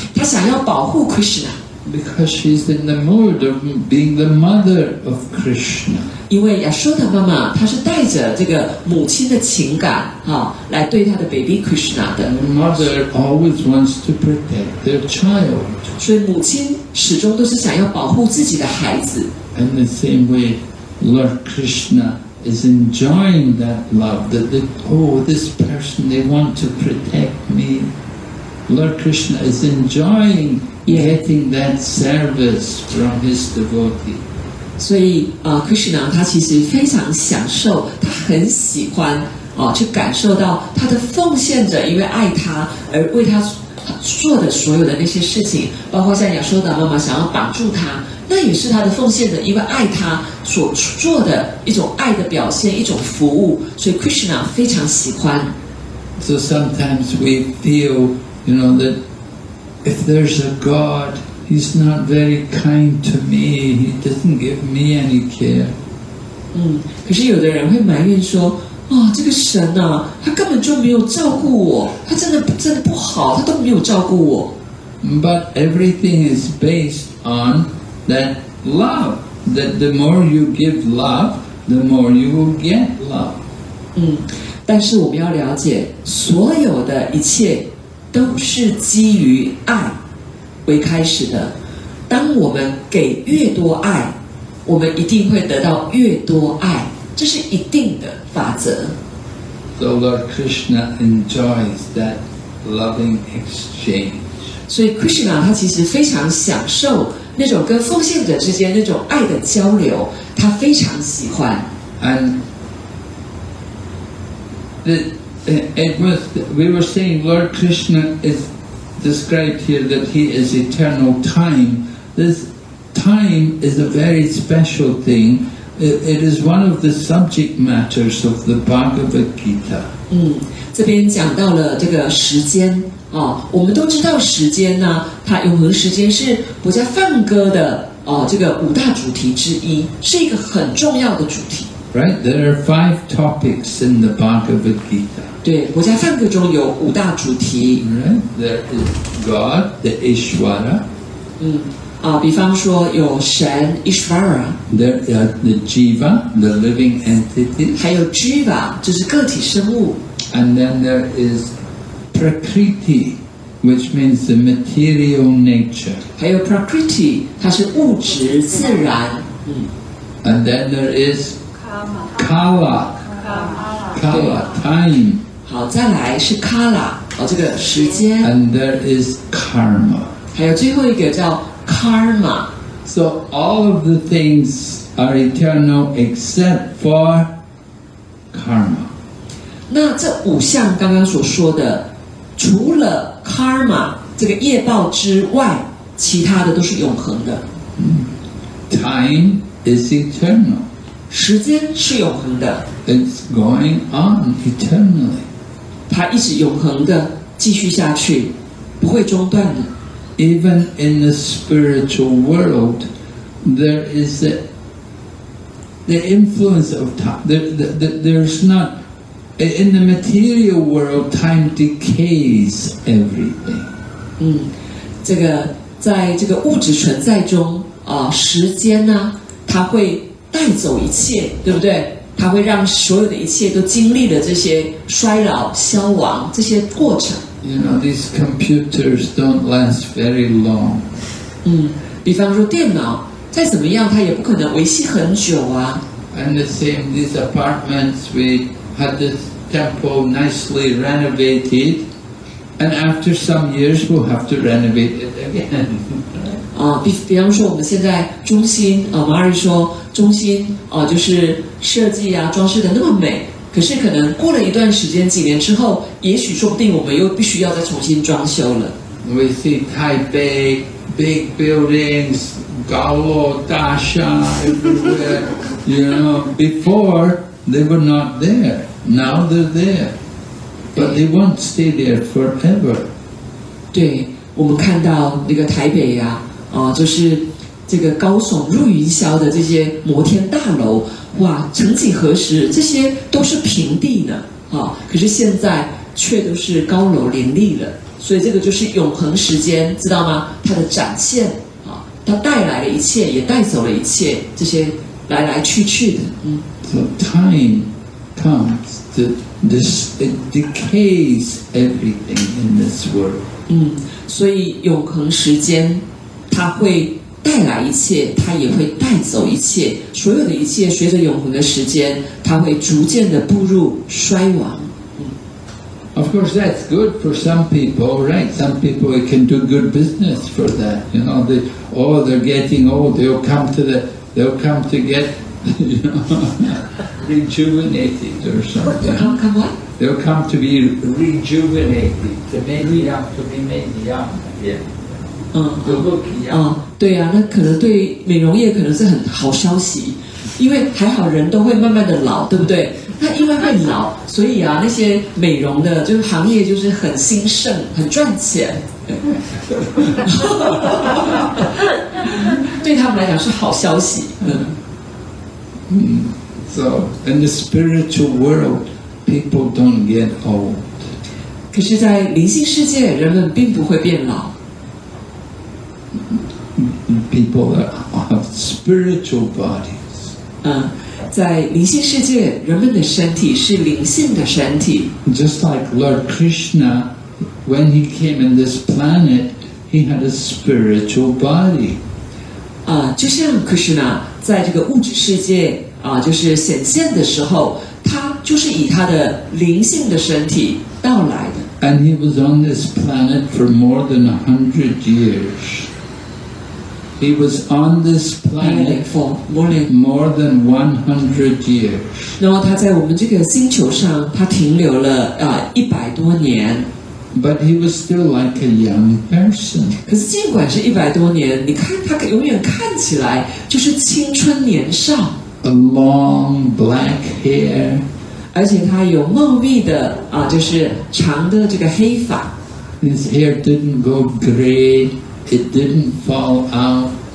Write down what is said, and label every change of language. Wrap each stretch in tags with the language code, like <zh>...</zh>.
<zh>她想要保护 Krishna。</zh> <en>Because she's in the mood of being the mother of Krishna.</en> <zh>因为亚瑟达妈妈她是带着这个母亲的情感哈、哦、来对她的 baby Krishna 的。</zh> <en>The mother always wants to protect their child.</en> <zh>所以母亲始终都是想要保护自己的孩子。</zh> <en>In the same way, Lord Krishna is enjoying that love. This person, they want to protect me. Lord Krishna is enjoying. Getting that service from his devotee.</en> <zh>所以、Krishna 他其实非常享受，他很喜欢、去感受到他的奉献者因为爱他而为他做的所有的那些事情，包括像亚瑟达妈妈想要绑住他，那也是他的奉献者因为爱他所做的一种爱的表现，一种服务，所以 Krishna 非常喜欢。</zh> <en>So sometimes we feel, you know, thatIf there's a God, he's not very kind to me. He doesn't give me any care.</en> <zh>可是有的人会埋怨说，啊、哦，这个神啊，他根本就没有照顾我，他真的不好，他都没有照顾我。</zh> <en>But everything is based on that love. That the more you give love, the more you will get love.</en> <zh>但是我们要了解，所有的一切。都是基于爱为开始的，当我们给越多爱，我们一定会得到越多爱，这是一定的法则。</zh> <en>So Lord Krishna enjoys that loving exchange.</en> <zh>所以 Krishna 他其实非常享受那种跟奉献者之间那种爱的交流，他非常喜欢。</zh> <en>AndWe were saying Lord Krishna is described here that he is eternal time. This time is a very special thing. It is one of the subject matters of the Bhagavad Gita.</en> <zh>这边讲到了这个时间、哦、我们都知道时间呢、啊，它永恒时间是佛家梵歌的、哦、这个五大主题之一，是一个很重要的主题。</zh> <en>Right, there are five topics in the Bhagavad Gita.</en> <zh>对，我在梵歌中有五大主题。</zh> <en>Right, there is God, the Ishvara.</en> <zh>比方说有神 Ishvara.</zh> <en>There are the Jiva, the living entity.</en> <zh>还有 Jiva, 就是个体生物。</zh> <en>And then there is Prakriti, which means the material nature.</en> <zh>还有 Prakriti, 它是物质自然。</zh> <en>And then there is. Kala, Kala, time.</en> <zh>好，再来是 Kala， 哦，这个时间。</zh> <en>And there is karma.</en> <zh>还有最后一个叫 karma.</zh> <en>So all of the things are eternal except for karma.</en> <zh>那这五项刚刚所说的，除了 karma 这个业报之外，其他的都是永恒的。</zh> <en>Time is eternal.</en> <zh>时间是永恒的。</zh> <en>It's going on eternally.</en> <zh>它一直永恒的继续下去，不会中断的。</zh> <en>Even in the spiritual world, there is the influence of time. There's not in the material world. Time decays everything.</en> <zh>这个在这个物质存在中啊、时间呢，它会。带走一切，对不对？它会让所有的一切都经历了这些衰老、消亡这些过程。</zh> <en>You know, these computers don't last very long.</en> <zh>比方说电脑，再怎么样，它也不可能维系很久啊。</zh> <en>And the same, these apartments, we had this temple nicely renovated, and after some years, we'll have to renovate it again.</en> <zh>比方说我们现在中心，Mari说。中心、就是设计啊装饰的那么美，可是可能过了一段时间几年之后，也许说不定我们又必须要再重新装修了。</zh> <en>We see Taipei big buildings,</en> <zh>高楼大厦</zh> <en>everywhere. You know, before they were not there, now they're there. But they won't stay there forever.</en> <zh>对，我们看到那个台北呀、啊，就是这个高耸入云霄的这些摩天大楼，哇，曾几何时，这些都是平地呢，啊，可是现在却都是高楼林立了。所以这个就是永恒时间，知道吗？它的展现啊，它带来了一切，也带走了一切，这些来来去去的，嗯。 So time comes that this it decays everything in this world. 嗯，所以永恒时间，它会带来一切，它也会带走一切。所有的一切随着永恒的时间，它会逐渐的步入衰亡。</zh> <en>Of course, that's good for some people, right? Some people can do good business for that. You know, they, oh, they're getting old. They'll come to get, you know, rejuvenated or something. Come what? They'll come to be rejuvenated. To be made young. Yeah. To look young.</en> <zh>对啊，那可能对美容业可能是很好消息，因为还好人都会慢慢的老，对不对？那因为会老，所以啊，那些美容的就是行业就是很兴盛，很赚钱。对他们来讲是好消息。</zh> <en>So in the spiritual world, people don't get old.</en> <zh>可是，在灵性世界，人们并不会变老。</zh> <en>People that have spiritual bodies.</en> <zh>在灵性世界，人们的身体是灵性的身体。</zh> <en>Just like Lord Krishna, when he came in this planet, he had a spiritual body.</en> <zh>就像 Krishna 在这个物质世界就是显现的时候，他就是以他的灵性的身体到来的。</zh> <en>And he was on this planet for more than 100 years. He was on this planet for more than 100 years.</en> <zh>然后他在我们这个星球上，他停留了一百多年。</zh> <en>But he was still like a young person.</en> <zh>可是尽管是一百多年，你看他永远看起来就是青春年少。</zh> <en>A long black hair.</en> <zh>而且他有茂密的就是长的这个黑发。</zh> <en>His hair didn't go gray. It didn't fall out.</en>